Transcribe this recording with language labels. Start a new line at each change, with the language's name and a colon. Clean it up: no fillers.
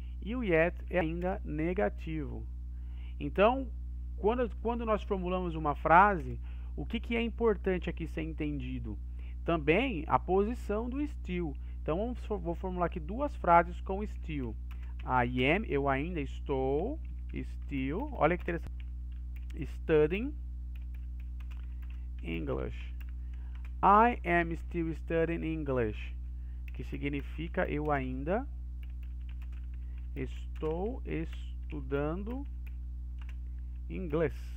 Portuguese: E o yet é ainda negativo. Então, quando nós formulamos uma frase, o que é importante aqui ser entendido? Também a posição do still. Então, vou formular aqui duas frases com still.
English: I am,
Portuguese: eu ainda estou, still, olha que interessante.
English: Studying English. I am still studying English.
Portuguese: Que significa eu ainda estou estudando inglês.